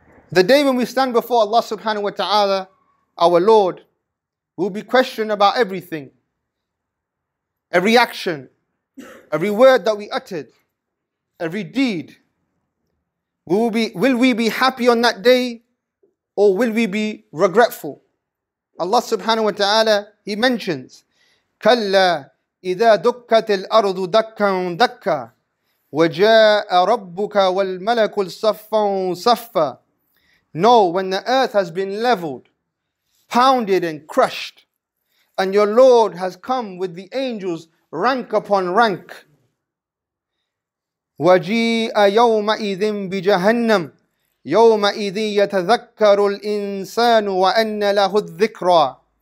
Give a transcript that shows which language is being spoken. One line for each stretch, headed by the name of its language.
English: The day when we stand before Allah subhanahu wa ta'ala, our Lord, we'll be questioned about everything. Every action, every word that we uttered, every deed. Will we be happy on that day, or will we be regretful? Allah subhanahu wa ta'ala, He mentions,
Arabic: كَلَّا إِذَا دُكَّتِ الْأَرْضُ دَكَّا دَكَّا وَجَاءَ رَبُّكَ وَالْمَلَكُ الصَّفَّا صَفَّا.
English: No, when the earth has been leveled, pounded and crushed, and your Lord has come with the angels rank upon rank.
Arabic: وَجِيءَ يَوْمَئِذٍ بِجَهَنَّمْ يَوْمَئِذٍ يَتَذَكَّرُ الْإِنسَانُ وَأَنَّ لَهُ الذِّكْرَى.